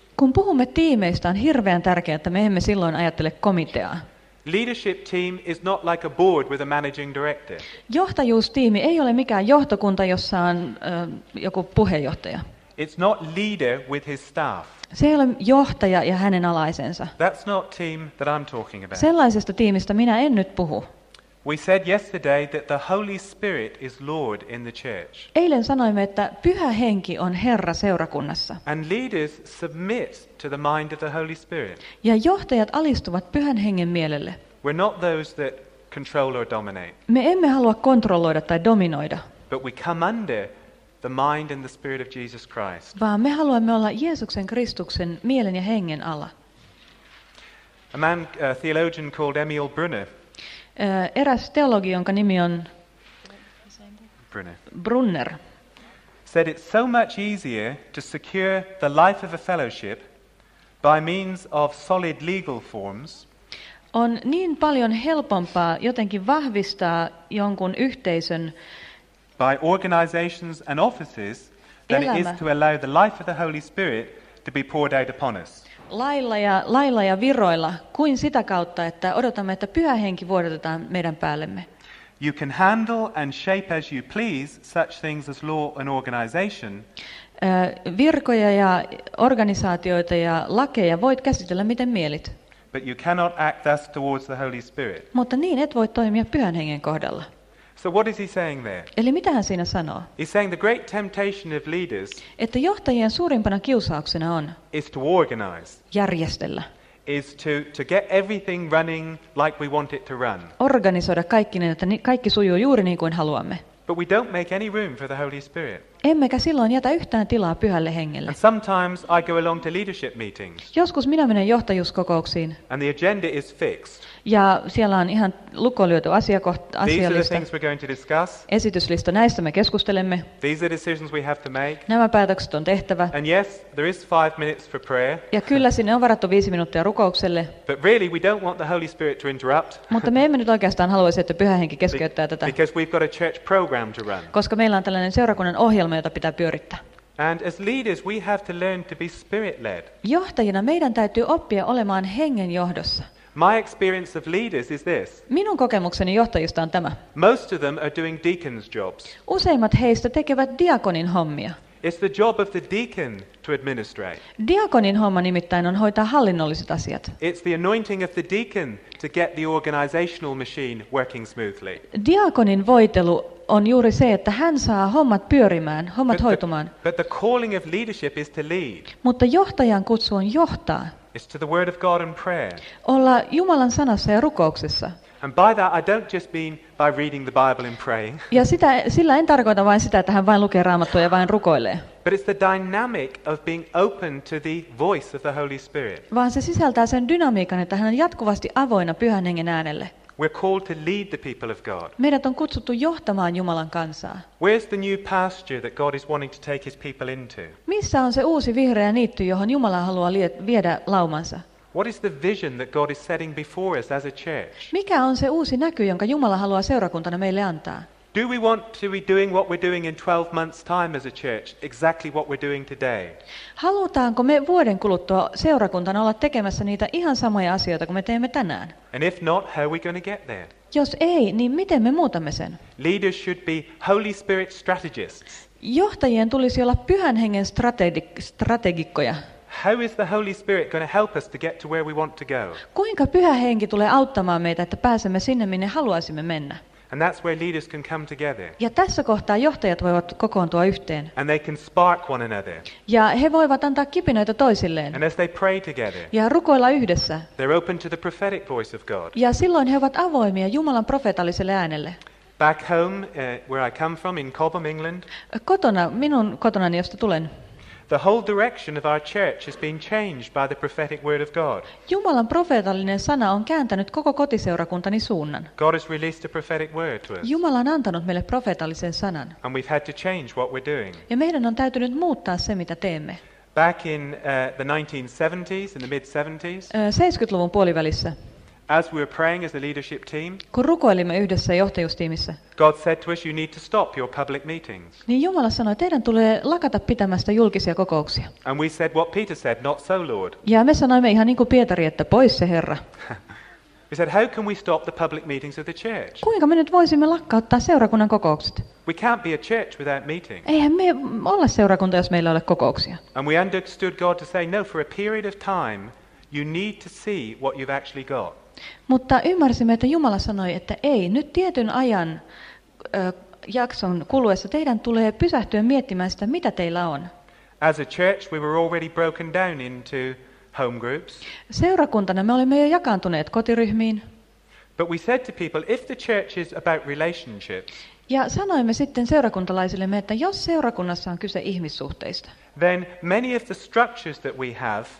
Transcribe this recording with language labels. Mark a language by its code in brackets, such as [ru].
[fi] Kun puhumme tiimeistä, on hirveän tärkeää, että me emme silloin ajattele komiteaa. [en] Leadership team is not like a board with a managing director. [fi] Johtajuustiimi ei ole mikään johtokunta, jossa on joku puheenjohtaja. [en] It's not leader with his staff. [fi] Se ei ole johtaja ja hänen alaisensa. [en] That's not team that I'm talking about. [fi] Sellaisesta tiimistä minä en nyt puhu. [en] We said yesterday that the Holy Spirit is Lord in the church. [fi] Eilen sanoimme, että Pyhä Henki on Herra seurakunnassa. [en] And leaders submit to the mind of the Holy Spirit. [fi] Ja johtajat alistuvat Pyhän Hengen mielelle. [en] We're not those that control or dominate. [fi] Me emme halua kontrolloida tai dominoida. [en] But we come under the mind and the spirit of Jesus Christ. [fi] Vaan me haluamme olla Jeesuksen Kristuksen mielen ja hengen alla. [en] A man, a theologian called Emil Brunner. [fi] Eräs teologi, jonka nimi on Brunner, [en] said it's so much easier to secure the life of a fellowship by means of solid legal forms. [fi] On niin paljon helpompaa jotenkin vahvistaa jonkun yhteisön [en] by organizations and offices than [fi] elämä. [en] It is to allow the life of the Holy Spirit to be poured out upon us. [fi] Lailla ja viroilla, kuin sitä kautta, että odotamme, että Pyhä Henki vuodatetaan meidän päällemme. [en] You can handle and shape as you please such things as law and organization. [fi] Virkoja ja organisaatioita ja lakeja voit käsitellä miten mielit. [en] But you cannot act thus towards the Holy Spirit. [fi] Mutta niin et voi toimia Pyhän Hengen kohdalla. [en] So what is he saying there? [fi] Eli mitä hän siinä sanoo? [en] He's saying the great temptation of leaders. [fi] Että johtajien suurimpana kiusauksena on. [en] Is to organize. [fi] Järjestellä. [en] Is to get everything running like we want it to run. [fi] Organisoida kaikki niin, että kaikki sujuu juuri niin kuin haluamme. [en] But we don't make any room for the Holy Spirit. [fi] Emmekä silloin jätä yhtään tilaa Pyhälle Hengelle. [en] And sometimes I go along to leadership meetings. [fi] Joskus minä menen johtajuuskokouksiin. [en] And the agenda is fixed. [fi] Ja siellä on ihan lukolyöty asialista. [en] These are the things we're going to discuss. [fi] Esityslista, näistä me keskustelemme. [en] These are decisions we have to make. [fi] Nämä päätökset on tehtävä. [en] And yes, there is 5 minutes for prayer. [fi] Ja kyllä sinne on varattu 5 minuuttia rukoukselle. [en] But really, we don't want the Holy Spirit to interrupt. [fi] Mutta me emme nyt oikeastaan haluaisi, että Pyhä Henki keskeyttää tätä. [en] Because we've got a church program to run. [fi] Koska meillä on tällainen seurakunnan ohjelma, jota pitää pyörittää. [en] And as leaders, we have to learn to be spirit-led. [fi] Johtajina meidän täytyy oppia olemaan hengen johdossa. [en] My experience of leaders is this. [fi] Minun kokemukseni johtajista on tämä. [en] Most of them are doing deacon's jobs. [fi] Useimmat heistä tekevät diakonin hommia. [en] It's the job of the deacon to administrate. [fi] Diakonin homma nimittäin on hoitaa hallinnolliset asiat. [en] It's the anointing of the deacon to get the organizational machine working smoothly. [fi] Diakonin voitelu on juuri se, että hän saa hommat pyörimään, hommat hoitumaan. [en] But the calling of leadership is to lead. [fi] Mutta johtajan kutsu on johtaa. [en] It's to the word of God and prayer. [fi] Olla Jumalan sanassa ja rukouksessa. [en] And by that I don't just mean by reading the Bible and praying. [fi] Ja sillä en tarkoita vain sitä, että hän vain lukee Raamattua ja vain rukoilee. [en] But it's the dynamic of being open to the voice of the Holy Spirit. [fi] Vaan se sisältää sen dynamiikan, että hän on jatkuvasti avoinna Pyhän Hengen äänelle. [en] We're called to lead the people of God. [fi] Meidät on kutsuttu johtamaan Jumalan kansaa. [en] Where's the new pasture that God is wanting to take his people into? [fi] Missä on se uusi vihreä niitty, johon Jumala haluaa viedä laumansa? [en] What is the vision that God is setting before us as a church? [fi] Mikä on se uusi näky, jonka Jumala haluaa seurakuntana meille antaa? [en] Do we want to be doing what we're doing in 12 months time as a church, exactly what we're doing today? [fi] Halutaanko me vuoden kuluttua seurakuntana olla tekemässä niitä ihan samoja asioita kuin me teemme tänään? [en] And if not, how are we going to get there? [fi] Jos ei, niin miten me muutamme sen? [en] Leaders should be Holy Spirit strategists. [fi] Johtajien tulisi olla Pyhän Hengen strategikkoja. [en] How is the Holy Spirit going to help us to get to where we want to go? [fi] Kuinka Pyhä Henki tulee auttamaan meitä, että pääsemme sinne, minne haluaisimme mennä? [en] And that's where leaders can come together. [fi] Ja tässä kohtaa johtajat voivat kokoontua yhteen. [en] And they can spark one another. [fi] Ja he voivat antaa kipinöitä toisilleen. [en] And as they pray together. [fi] Ja rukoilla yhdessä. [en] They're open to the prophetic voice of God. [fi] Ja silloin he ovat avoimia Jumalan profeetalliselle äänelle. [en] Back home, where I come from in Cobham, England. [fi] Kotona, minun kotonani, josta tulen. [en] The whole direction of our church has been changed by the prophetic word of God. [fi] Jumalan profeetallinen sana on kääntänyt koko kotiseurakuntani suunnan. [en] God has released a prophetic word to us. [fi] Jumala on antanut meille profeetallisen sanan. [en] And we've had to change what we're doing. [fi] Ja meidän on täytynyt muuttaa se, mitä teemme. [en] Back in the 1970s, in the mid-70s. [fi] 70-luvun puolivälissä. [en] As we were praying as a leadership team. [fi] Kun rukoilimme yhdessä johtajuustiimissä. [en] God said to us, you need to stop your public meetings. [fi] Niin Jumala sanoi, teidän tulee lakata pitämästä julkisia kokouksia. [en] And we said what Peter said, not so Lord. [fi] Ja me sanoimme ihan niin kuin Pietari, että pois se Herra. [en] We said, how can we stop the public meetings of the church? [fi] Kuinka me nyt voisimme lakkauttaa seurakunnan kokoukset? [en] We can't be a church without meetings. [fi] Eihän me olla seurakunta, jos meillä ei ole kokouksia. [en] And we understood God to say, no, for a period of time, you need to see what you've actually got. [fi] Mutta ymmärsimme, että Jumala sanoi, että ei, nyt tietyn ajan jakson kuluessa teidän tulee pysähtyä miettimään sitä, mitä teillä on. [en] As a church, we were already broken down into home groups. [fi] Seurakuntana me olemme jo jakaantuneet kotiryhmiin. [en] But we said to people, if the church is about relationships, [fi] ja sanoimme sitten seurakuntalaisillemme, että jos seurakunnassa on kyse ihmissuhteista, [en] then many of the structures that we have,